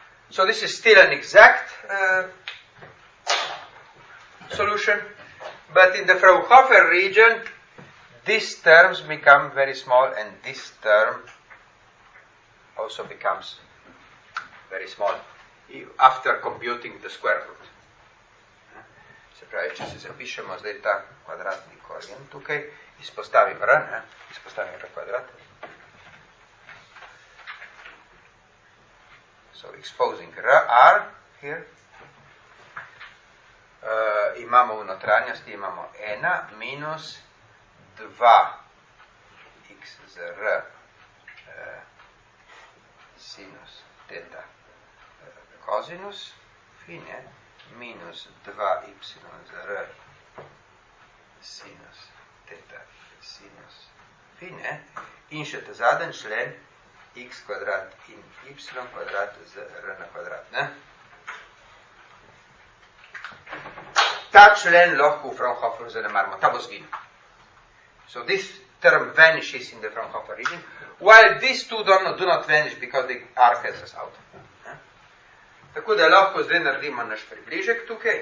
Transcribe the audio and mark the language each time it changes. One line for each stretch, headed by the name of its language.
English: So this is still an exact solution, but in the Fraunhofer region these terms become very small and this term also becomes very small after computing the square root.
Slovenian: Se pravi, če se zapišemo zdaj ta kvadratni korijen tukaj, izpostavim r kvadrat.
English: So exposing r here.
Slovenian: Imamo v notranjosti, imamo 1 minus 2 x z r sinus teta kozinus fi, ne, minus 2 y z r sinus teta sinus fi, ne, in še ta zaden člen x kvadrat in y kvadrat z r na kvadrat, ne. Ta člen lahko v Fraunhoferu zanemarimo, ta bo zginil.
English: So this term vanishes in the Fraunhofer region, while these two do not vanish because the R has us out. Ne?
Slovenian: Tako da lahko zdaj naredimo naš približek tukaj.